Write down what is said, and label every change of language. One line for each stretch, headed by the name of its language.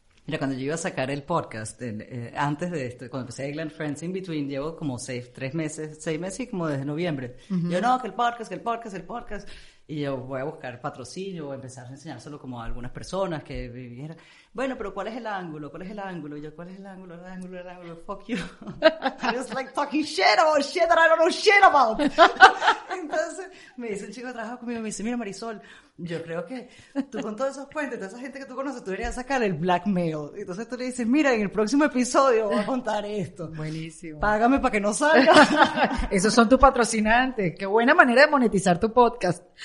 Spanish: Mira, cuando yo iba a sacar el podcast, antes de esto, cuando empecé England Friends In Between, llevo como seis meses, como desde noviembre. Uh-huh. Yo, no, que el podcast. Y yo voy a buscar patrocinio, voy a empezar a enseñárselo como a algunas personas que vivieran. Bueno, pero ¿cuál es el ángulo? Y yo, ¿cuál es el ángulo?
English: Fuck you. It's like talking shit about shit that I don't know shit about.
Spanish: Entonces, me dice un chico que trabaja conmigo, me dice, mira Marisol, yo creo que tú con todos esos puentes, toda esa gente que tú conoces, tú deberías sacar el blackmail. Entonces tú le dices, mira, en el próximo episodio voy a contar esto. Buenísimo. Págame para que no salga. Esos son tus patrocinantes. Qué buena manera de monetizar tu podcast.